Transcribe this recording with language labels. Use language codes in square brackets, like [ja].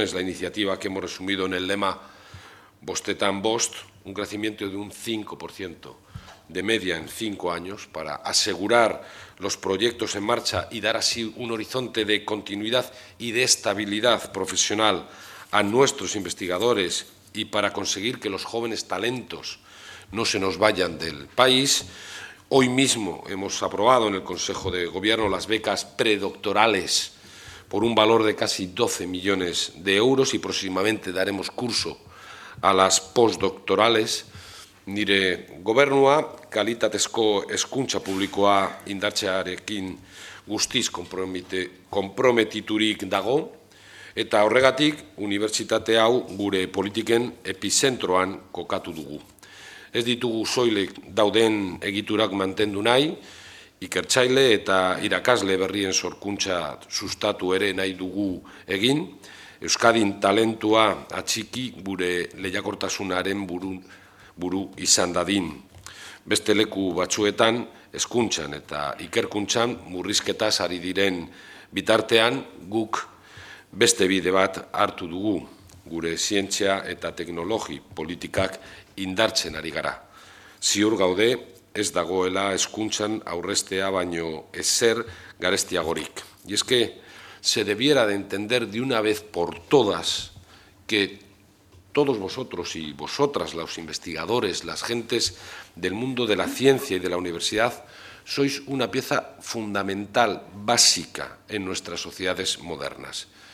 [es] Es la iniciativa que hemos resumido en el lema Bostetan Bost, un crecimiento de un 5% de media en 5 años para asegurar los proyectos en marcha y dar así un horizonte de continuidad y de estabilidad profesional a nuestros investigadores y para conseguir que los jóvenes talentos no se nos vayan del país. Hoy mismo hemos aprobado en el Consejo de Gobierno las becas predoctorales por un valor de casi 12 millones de euros y próximamente daremos curso a las postdoctorales. [eu] Nire gobernua, kalitatezko hezkuntza publikoa indartzearekin guztiz konprometiturik dago, eta horregatik, unibertsitate hau gure politiken epizentroan kokatu dugu. Ez ditugu soilik dauden egiturak mantendu nahi, ikertzaile eta irakasle berrien sorkuntza sustatu ere nahi dugu egin, Euskadin talentua atxiki gure lehiakortasunaren buru izan dadin. Beste leku batzuetan, hezkuntzan eta ikerkuntzan murrizketaz ari diren bitartean guk beste bide bat hartu dugu, gure zientzia eta teknologi politikak indartzen ari gara. Ziur gaude, ez dagoela hezkuntzan aurreztea baino ezer garestiagorik. [es] Y es que se debiera de entender de una vez por todas que todos vosotros y vosotras, los investigadores, las gentes del mundo de la ciencia y de la universidad, sois una pieza fundamental, básica en nuestras sociedades modernas.